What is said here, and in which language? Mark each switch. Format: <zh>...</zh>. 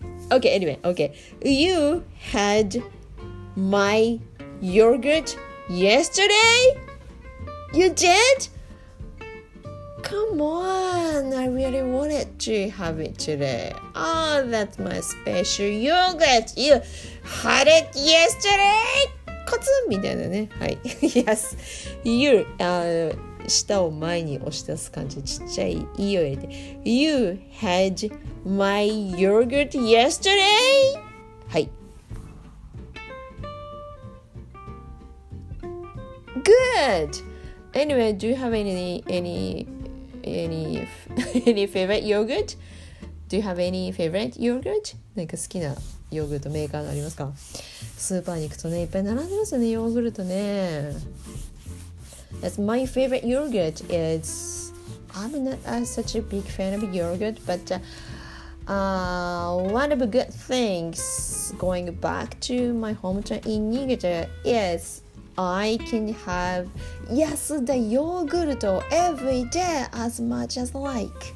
<en>OK anyway OK You had my yogurt yesterday? You did? Come on I really wanted to have it today Oh that's my special yogurt You had it yesterday?</en> <ja>コツンみたいなね。はい。Yes. You, 舌を前に押し出す感じでちっちゃい E を入れて。</ja> <en>You had my yogurt yesterday? はい。 Good! Anyway, do you have any favorite yogurt? Do you have any favorite yogurt?</en> <ja>なんか好きなヨーグルトメーカーがありますか?スーパーに行くとね、いっぱい並んでますよね、ヨーグルトね。</ja> <en>That's my favorite yogurt. It's I'm not such a big fan of yogurt, but one of the good things going back to my hometown in Niigata is I can have Yasuda yogurt every day as much as like.</en>